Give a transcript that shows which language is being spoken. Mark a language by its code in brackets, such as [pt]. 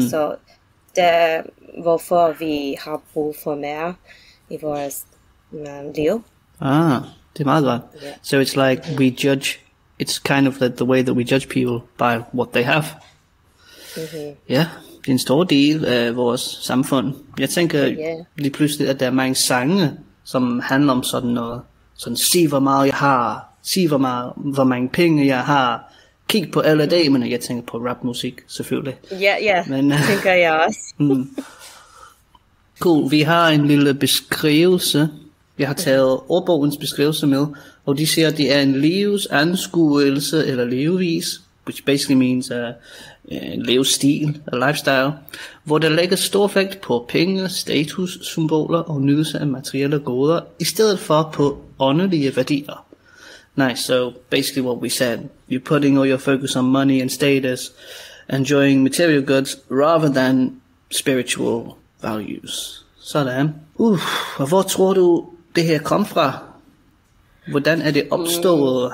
[da] Så det er, hvorfor vi har brug for mere i vores liv. Ah, det er meget godt. [en] So it's like we judge, it's kind of like the way that we judge people by what they have. [da] Det er en stor del af vores samfund. Jeg tænker lige pludselig, at der er mange sange, som handler om sådan noget. Sådan, se hvor meget jeg har, se hvor mange penge jeg har. Kig på alle damerne, jeg tænker på rapmusik selvfølgelig. Ja, yeah, ja, yeah. Tænker jeg også. god, vi har en lille beskrivelse. Jeg har taget ordbogens beskrivelse med, og de siger, at det er en livsanskuelse eller levevis, [en] which basically means [da] en livsstil, [en] a lifestyle, [da] hvor der lægger stor vægt på penge, status, symboler og nydelse af materielle goder, i stedet for på åndelige værdier. [en] Nice, so basically what we said, you're putting all your focus on money and status, enjoying material goods rather than spiritual values. [da] Sådan. Og hvor tror du det her kom fra? Hvordan er det opstået?